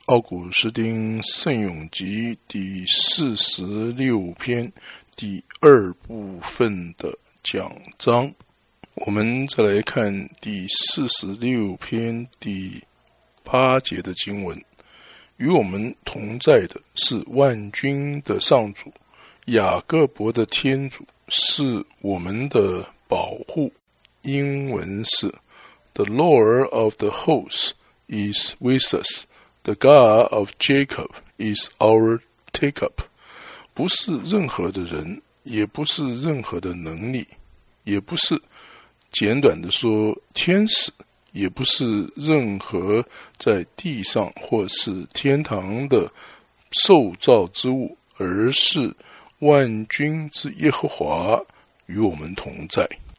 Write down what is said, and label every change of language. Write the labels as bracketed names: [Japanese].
[Chinese] 奥古斯丁聖咏集第46篇第二部分的讲章，我们再来看第46篇第八节的经文。与我们同在的是万军的上主，雅各伯的天主是我们的保护。英文是 [English] The Lord of the hosts is with us. The God of Jacob is our take-up. [Chinese] 不是任何的人，也不是任何的能力，也不是，简短的说，天使，也不是任何在地上或是天堂的受造之物，而是万军之耶和华与我们同在。